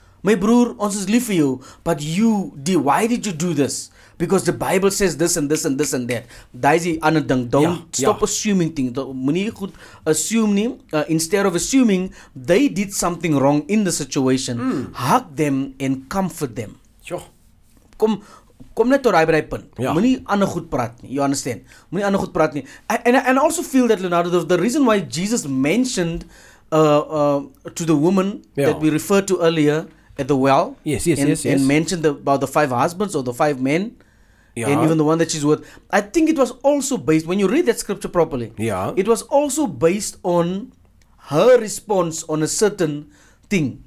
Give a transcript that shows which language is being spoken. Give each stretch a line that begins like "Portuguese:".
English: My broer, ons is lief vir jou, but you, die, why did you do this? Because the Bible says this and this and this and that. Daai is die ander ding. Don't stop assuming things. Moenie goed assume nie. Instead of assuming, they did something wrong in the situation. Hug them and comfort them. Sure.
Afrikaans: Kom net tot die punt. Moenie ander goed praat nie. You understand? Moenie ander goed praat nie.
English: And I also feel that, Leonardo, the reason why Jesus mentioned to the woman that we referred to earlier, at the well, yes, and mentioned about the five husbands or the five men, and even the one that she's with. I think it was also based, when you read that scripture properly, it was also based on her response on a certain thing.